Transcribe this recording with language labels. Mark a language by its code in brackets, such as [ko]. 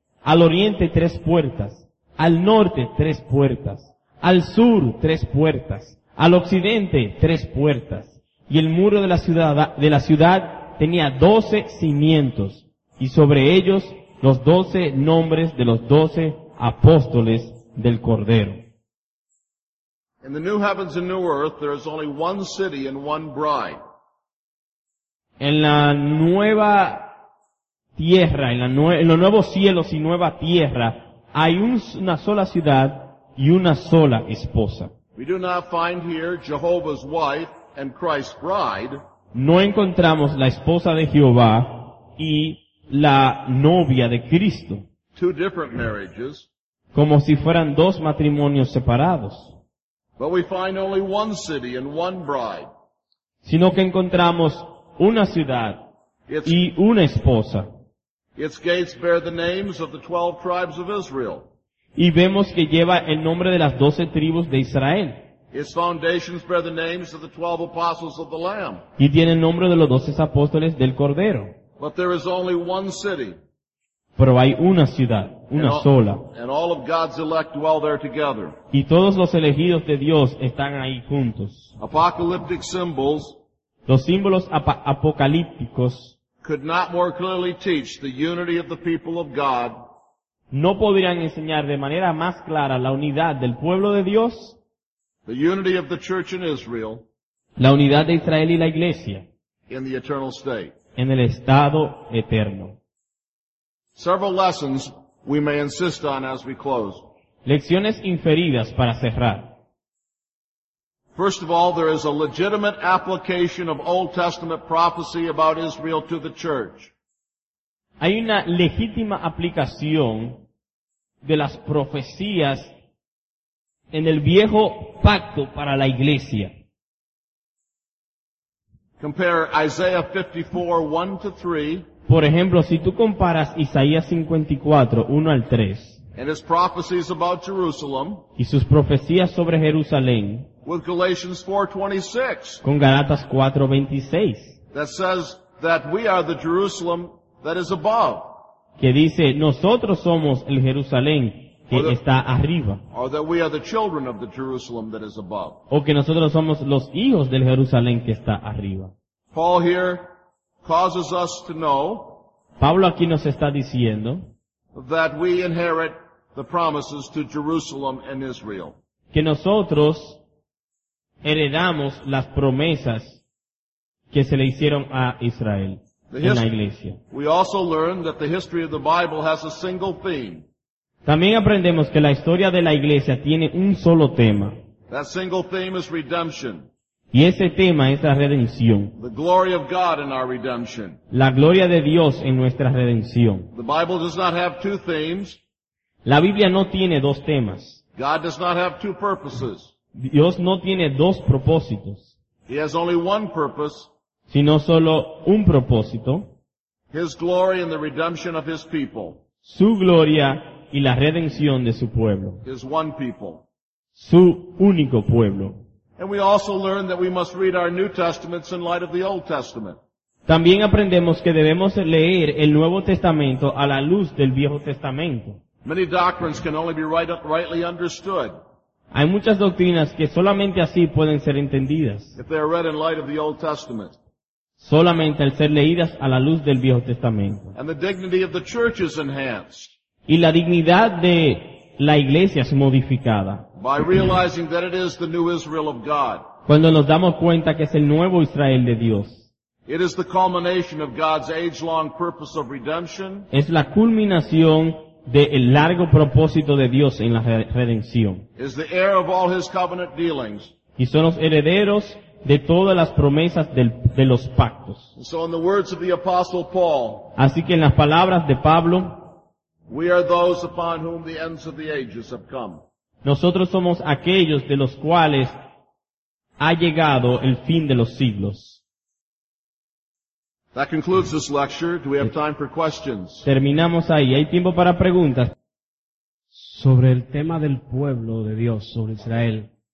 [es] Al oriente 3 puertas, al norte 3 puertas, al sur 3 puertas, al occidente 3 puertas. Y el muro de la ciudad tenía 12 cimientos, y sobre ellos los 12 nombres de los 12 apóstoles del Cordero. [en] In the new heavens and new earth, there is only one city and one bride. [es] En la nueva tierra, en los nuevos cielos y nueva tierra, hay una sola ciudad y una sola esposa. [en] We do not find here Jehovah's wife and Christ's bride. [es] No encontramos la esposa de Jehová y la novia de Cristo. [en] Two different marriages. [es] Como si fueran dos matrimonios separados. [en] But we find only one city and one bride. [es] Sino que encontramos una ciudad y una esposa. [en] Its gates bear the names of the 12 tribes of Israel. [es] Y vemos que lleva el nombre de las 12 tribus de Israel. [en] Its foundations bear the names of the 12 apostles of the Lamb. [es] Y tiene el nombre de los 12 apóstoles del Cordero. [en] But there is only one city. [es] Pero hay una ciudad, una sola. [en] And all of God's elect dwell there together. [es] Y todos los elegidos de Dios están ahí juntos. [en] Apocalyptic symbols. [es] Los símbolos apocalípticos. [en] Could not more clearly teach the unity of the people of God. [es] No podrían enseñar de manera más clara la unidad del pueblo de Dios. [en] The unity of the church in Israel. [es] La unidad de Israel y la iglesia. [en] In the eternal state. [es] En el estado eterno. [en] Several lessons we may insist on as we close. [es] Lecciones inferidas para cerrar. [en] First of all, there is a legitimate application of Old Testament prophecy about Israel to the church. [es] Hay una legítima aplicación de las profecías en el viejo pacto para la iglesia. [en] Compare Isaiah 54, 1 to 3. [es] Por ejemplo, si tú comparas Isaías 54, 1 al 3, [en] and his prophecies about Jerusalem, [es] y sus profecías sobre Jerusalén, [en] with Galatians 4, 26, [es] con Galatas 4, 26, [en] that says that we are the Jerusalem that is above, [es] que dice, nosotros somos el Jerusalén que está arriba, [en] or that we are the children of the Jerusalem that is above, [es] o que nosotros somos los hijos del Jerusalén que está arriba. [en] Paul here causes us to know, [es] Pablo aquí nos está diciendo, [en] that we inherit the promises to Jerusalem and Israel. [es] Que nosotros heredamos las promesas que se le hicieron a Israel en la iglesia. [en] We also learn that the history of the Bible has a single theme. [es] También aprendemos que la historia de la iglesia tiene un solo tema. [en] That single theme is redemption. [es] Y ese tema es la redención. [en] The glory of God in our redemption. [es] La gloria de Dios en nuestra redención. [en] The Bible does not have two themes. [es] La Biblia no tiene dos temas. [en] God does not have two purposes. [es] Dios no tiene dos propósitos. [en] He has only one purpose. [es] Sino solo un propósito. [en] His glory and the redemption of his people. [es] Su gloria y la redención de su pueblo. [en] His one people. [es] Su único pueblo. [en] And we also learn that we must read our New Testaments in light of the Old Testament. [es] También aprendemos que debemos leer el Nuevo Testamento a la luz del Viejo Testamento. [en] Many doctrines can only be rightly understood. [es] Hay muchas doctrinas que solamente así pueden ser entendidas. [en] If they are read in light of the Old Testament. [es] Solamente al ser leídas a la luz del Viejo Testamento. [en] And the dignity of the church is enhanced. [es] Y la dignidad de la iglesia es modificada. [en] By realizing that it is the new Israel of God. [es] Cuando nos damos cuenta que es el nuevo Israel de Dios. [en] It is the culmination of God's age-long purpose of redemption. [es] Es la culminación del largo propósito de Dios en la redención. [en] Is the heir of all his covenant dealings. [es] Y son los herederos de todas las promesas de los pactos. [en] So in the words of the Apostle Paul. [es] Así que en las palabras de Pablo. [en] We are those upon whom the ends of the ages have come. [es] Nosotros somos aquellos de los cuales ha llegado el fin de los siglos. [en] That concludes this lecture. Do we have time for questions? [es] Terminamos ahí. ¿Hay tiempo para preguntas? Sobre el tema del pueblo de Dios, sobre Israel.